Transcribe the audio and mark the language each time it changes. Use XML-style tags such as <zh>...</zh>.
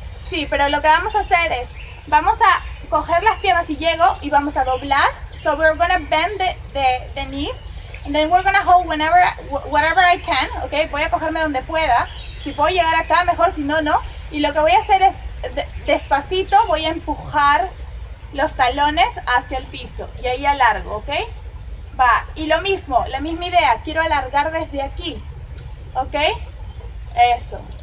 <es>Sí, pero lo que vamos a hacer es, vamos a coger las piernas y llego y vamos a doblar.</es> <en>So we're gonna bend the knees and then we're gonna hold whatever I can, okay?</en> <es>Voy a cogerme donde pueda. Si puedo llegar acá, mejor, si no, no. Y lo que voy a hacer es, despacito voy a empujar los talones hacia el piso y ahí alargo, okay? Va, y lo mismo, la misma idea, quiero alargar desde aquí, okay? Eso.</es>